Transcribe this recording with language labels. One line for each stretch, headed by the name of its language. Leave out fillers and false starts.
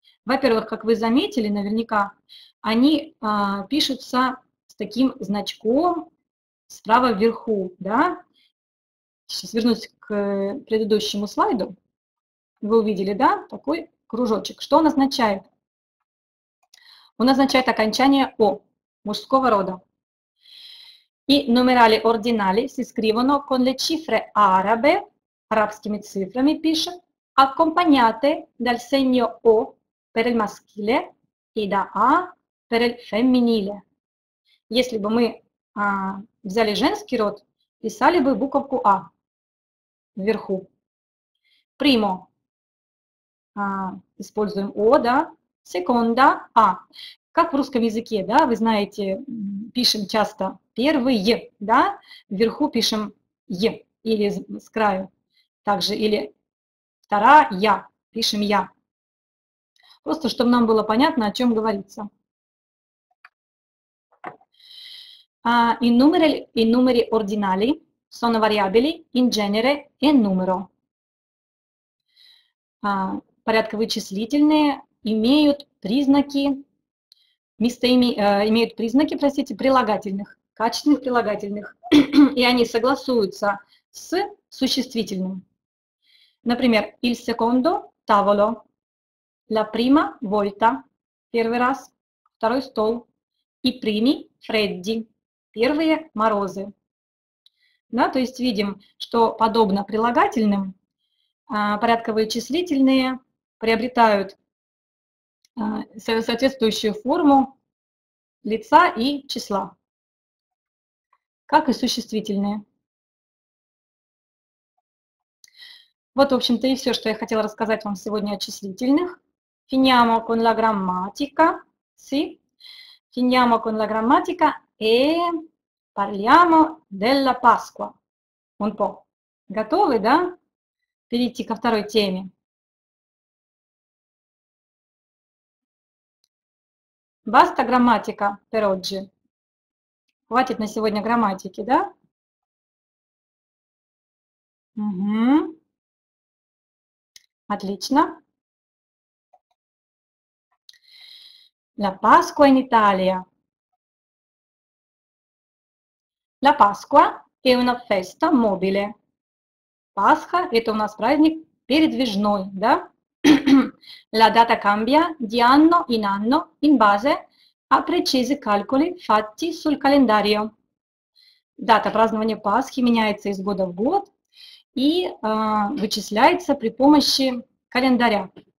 Russian: Во-первых, как вы заметили, наверняка, они пишутся с таким значком справа вверху, да? Сейчас вернусь к предыдущему слайду. Вы увидели, да, такой кружочек. Что он означает? Он означает окончание «о» мужского рода.
Italian: И numerali ordinali si scrivono con le cifre arabe,
Russian: арабскими цифрами пишет,
Italian: accompagnate dal segno «о» per il maschile и da «а» per il femminile.
Russian: Если бы мы взяли женский род, писали бы буковку «а» вверху. Primo. Используем «о», да? Секунда, «а». Как в русском языке, да, вы знаете, пишем часто «первые», да? Вверху пишем «е» или с краю. Также или «вторая», пишем «я». Просто, чтобы нам было понятно, о чем говорится.
Italian: И numeri ordinali sono variabili in genere e numero.
Russian: Порядковые числительные имеют признаки, имеют признаки, простите, прилагательных, качественных прилагательных, и они согласуются с существительным. Например,
Italian: il secondo tavolo, la prima volta,
Russian: первый раз, второй стол,
Italian: и primi freddi,
Russian: первые морозы. Да, то есть видим, что подобно прилагательным, порядковые числительные приобретают соответствующую форму лица и числа, как и существительные. Вот, в общем-то, и все, что я хотела рассказать вам сегодня о числительных.
Italian: Finiamo con la grammatica. Sì. Finiamo con la grammatica parliamo della Pasqua. Un po'.
Russian: Готовы, да? Перейти ко второй теме. Баста грамматика
Italian: per oggi.
Russian: Хватит на сегодня грамматики, да? Угу. Отлично.
Italian: La Pasqua in Italia. La Pasqua è una festa mobile. Pasqua è un
Russian: праздник передвижной, да?
Italian: La data cambia di anno in base a precisi calcoli fatti sul calendario.
Russian: Дата празднования Пасхи меняется из года в год и вычисляется при помощи календаря.